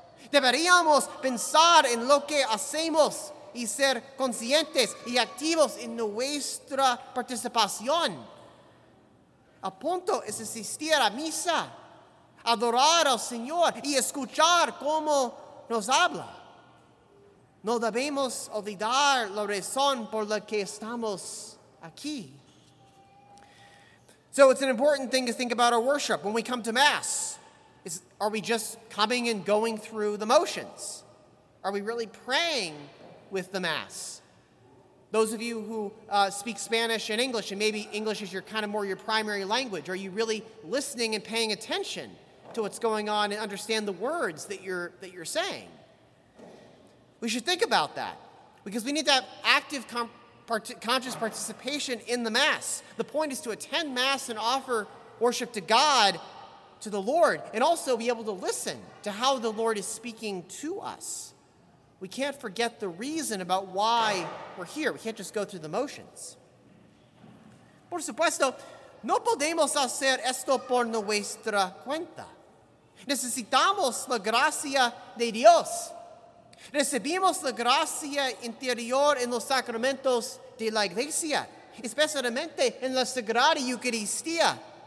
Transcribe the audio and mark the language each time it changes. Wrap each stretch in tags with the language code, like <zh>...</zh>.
<es>Deberíamos pensar en lo que hacemos y ser conscientes y activos en nuestra participación. A punto es asistir a misa, adorar al Señor y escuchar cómo nos habla. No debemos olvidar la razón por la que estamos aquí.</es> <en>So it's an important thing to think about our worship. When we come to Mass, are we just coming and going through the motions? Are we really praying with the Mass? Those of you who speak Spanish and English, and maybe English is your kind of more your primary language, are you really listening and paying attention to what's going on and understand the words that you're saying? We should think about that, because we need to have active conscious participation in the Mass. The point is to attend Mass and offer worship to God, to the Lord, and also be able to listen to how the Lord is speaking to us. We can't forget the reason about why we're here. We can't just go through the motions.</en> <es>Por supuesto, no podemos hacer esto por nuestra cuenta. Necesitamos la gracia de Dios. Recibimos la gracia interior en los sacramentos de la iglesia, especialmente en la Sagrada Eucaristía.</es>